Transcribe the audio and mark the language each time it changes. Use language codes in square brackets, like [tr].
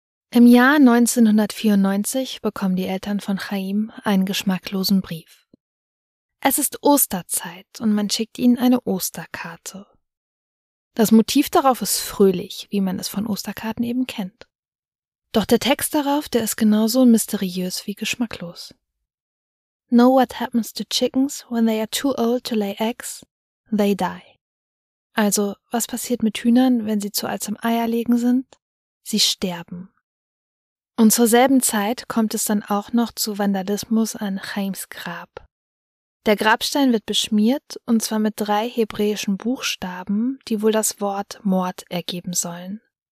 [de] Im Jahr 1994 bekommen die Eltern von Chaim einen geschmacklosen Brief. Es ist Osterzeit und man schickt ihnen eine Osterkarte. Das Motiv darauf ist fröhlich, wie man es von Osterkarten eben kennt. Doch der Text darauf, der ist genauso mysteriös wie geschmacklos. [en] Know what happens to chickens when they are too old to lay eggs? They die. [de] Also, was passiert mit Hühnern, wenn sie zu alt zum Eierlegen sind? Sie sterben. Und zur selben Zeit kommt es dann auch noch zu Vandalismus an Chaims Grab. Der Grabstein wird beschmiert, und zwar mit drei hebräischen Buchstaben, die wohl das Wort Mord ergeben sollen.